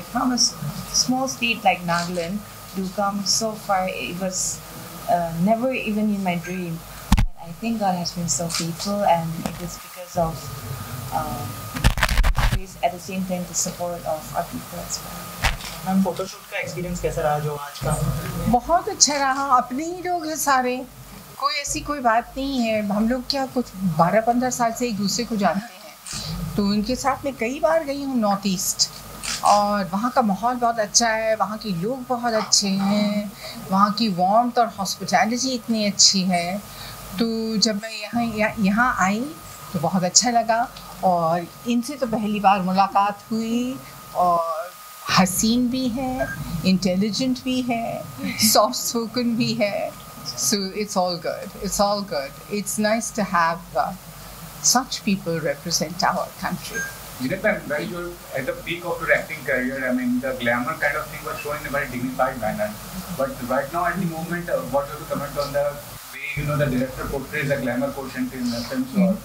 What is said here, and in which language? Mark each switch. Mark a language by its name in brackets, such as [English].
[English] From a small state like Nagaland to come so far, it was never even in my dream. But I think God has been so faithful, and it is because of at the same time the support of our people as well. [Hindi] Ma'am, photoshoot का experience कैसा रहा जो आज का? बहुत अच्छा रहा. अपने ही लोग हैं सारे, कोई ऐसी कोई बात नहीं है. हम लोग क्या कुछ 12-15 साल से एक दूसरे को जानते हैं, तो इनके साथ मैं कई बार गई हूँ नॉर्थ ईस्ट, और वहाँ का माहौल बहुत अच्छा है, वहाँ के लोग बहुत अच्छे हैं, वहाँ की वार्मथ और हॉस्पिटैलिटी इतनी अच्छी है. तो जब मैं यहाँ आई तो बहुत अच्छा लगा, और इनसे तो पहली बार मुलाकात हुई, और हसीन भी है, इंटेलिजेंट भी है, सॉफ्ट स्पोकन भी है. [English] So it's all good. It's nice to have such people represent our country. You know, ma'am, while you're at the peak of your acting career, I mean, the glamour kind of thing was shown in a very dignified manner. But right now, at the moment, what do you comment on the way, you know, the director portrays the glamour portion in the film?